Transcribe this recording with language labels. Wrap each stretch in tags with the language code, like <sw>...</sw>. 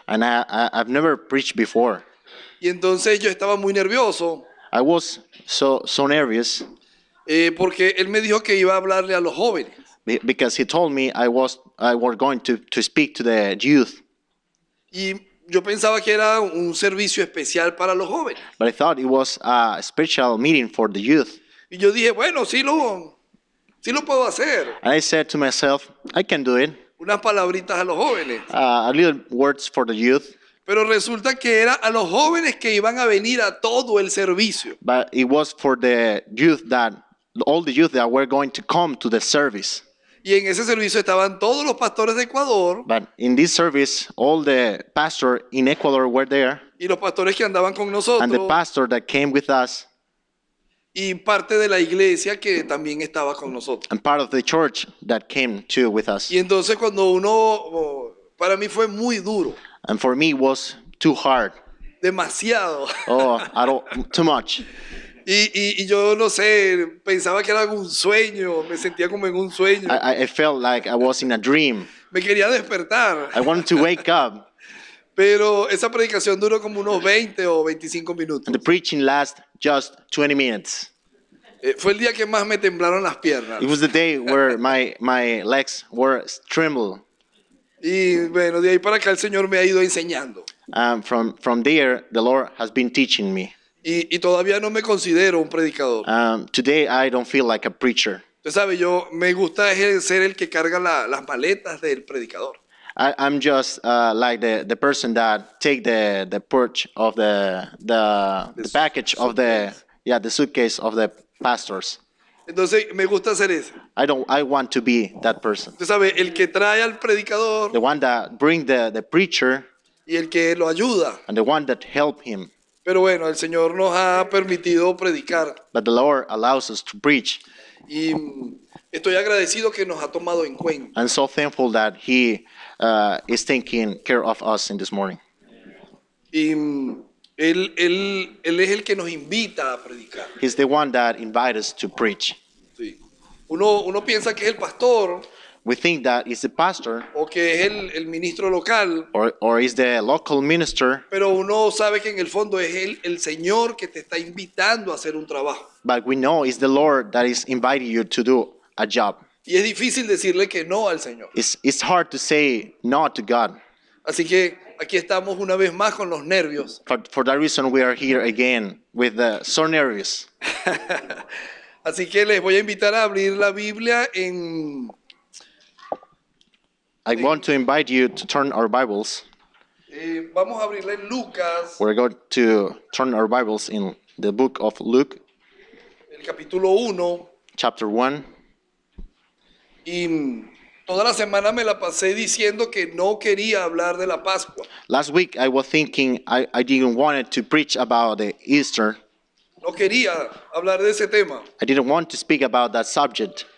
<en>And I've never preached before.</en> <es>Y entonces yo estaba muy nervioso.</es> <en>I was so nervous.</en> <es>Porque él me dijo que iba a hablarle a los jóvenes.</es> <en>Because he told me I were going to speak to the youth.</en> <es>Y yo pensaba que era un servicio especial para los jóvenes.</es> <en>But I thought it was a special meeting for the youth.</en> <es>Y yo dije, bueno, sí lo puedo hacer.</es> <en>And I said to myself, I can do it.</en> <es>Unas palabritas a los jóvenes.</es> <en>A little words for the youth.</en> <es>Pero resulta que era a los jóvenes que iban a venir a todo el servicio.</es> <en>But it was for the youth that, all the youth that were going to come to the service.</en> <es>Y en ese servicio estaban todos los pastores de Ecuador.</es> <en>But in this service, all the pastors in Ecuador were there.</en> <es>Y los pastores que andaban con nosotros.</es> <en>And the pastor that came with us.</en> <es>Y parte de la iglesia que también estaba con nosotros.</es> <en>And part of the church that came too with us.</en> <es>Y entonces cuando uno, para mí fue muy duro.</es> <en>And for me was too hard.</en> <es>Demasiado.</es> <en>Oh, I don't, too much.</en> <es>Y yo no sé, pensaba que era un sueño, me sentía como en un sueño.</es> <en>I felt like I was in a dream.</en> <es>Me quería despertar.</es> <en>I wanted to wake up.</en> <es>Pero esa predicación duró como unos 20 o 25 minutos.</es> <en>And the preaching lasted just 20 minutes.</en> <es>Fue el día que más me temblaron las piernas.</es> <en>It was the day where my legs were trembled.</en> <es>Y bueno, de ahí para acá el Señor me ha ido enseñando.</es> <en>From there, the Lord has been teaching me.</en> <es>Y todavía no me considero un predicador.</es> <en>Today I don't feel like a preacher.</en> <es>Usted sabe, yo me gusta ser el que carga las maletas del predicador.</es> <en>I'm just like the person that take the porch of the package of the suitcase. Yeah, the suitcase of the pastors.</en> <es>Entonces me gusta hacer eso.</es> <en>I want to be that person.</en> <es>Usted sabe, el que trae al predicador.</es> <en>The one that bring the preacher.</en> <es>Y el que lo ayuda.</es> <en>And the one that help him.</en> <es>Pero bueno, el Señor nos ha permitido predicar.</es> <en>But the Lord allows us to preach.</en> <es>Y estoy agradecido que nos ha tomado en cuenta.</es> <en>I'm so thankful that he is taking care of us in this morning.</en> <es>Y él es el que nos invita a predicar.</es> <en>He's the one that invites us to preach.</en> <es>Sí. Uno piensa que es el pastor.</es> <en>We think that it's the pastor,</en> <es>o que es el ministro local,</es> <en>or is the local minister.</en> <es>Pero uno sabe que en el fondo es el Señor que te está invitando a hacer un trabajo.</es> <en>But we know it's the Lord that is inviting you to do a job.</en> <es>Y es difícil decirle que no al Señor.</es> <en>It's hard to say no to God.</en> <es>Así que aquí estamos una vez más con los nervios.</es> <en>For that reason, we are here again with the so nervous.</en> <es>Así que les voy a invitar a abrir la Biblia en.</es> <en>I want to invite you to turn our Bibles.</en> <es>Vamos a abrirla en Lucas.</es> <en>We're going to turn our Bibles in The book of Luke,</en> <es>el capítulo 1,</es> <en>chapter 1.</en> <es>Y toda la semana me la pasé diciendo que no quería hablar de la Pascua.</es> <en>Last week I was thinking I didn't want to preach about the Easter.</en> <es>No quería hablar de ese tema.</es> <en>I didn't want to speak about that subject.</en>